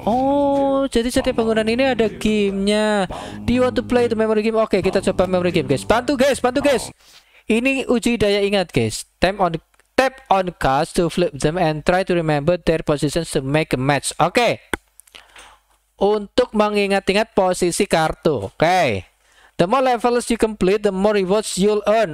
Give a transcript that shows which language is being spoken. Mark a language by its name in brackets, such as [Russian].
[Indonesian] Oh, jadi setiap bangunan ini ada gamenya. [English] Do you want to play the memory game? [Indonesian] Oke, kita coba memory game guys. Bantu guys, bantu guys. Ini uji daya ingat guys. [English] Tap on cards to flip them and try to remember their positions to make a match. [Indonesian] Oke. Untuk mengingat-ingat posisi kartu. Oke. [English] The more levels you complete, the more rewards you'll earn.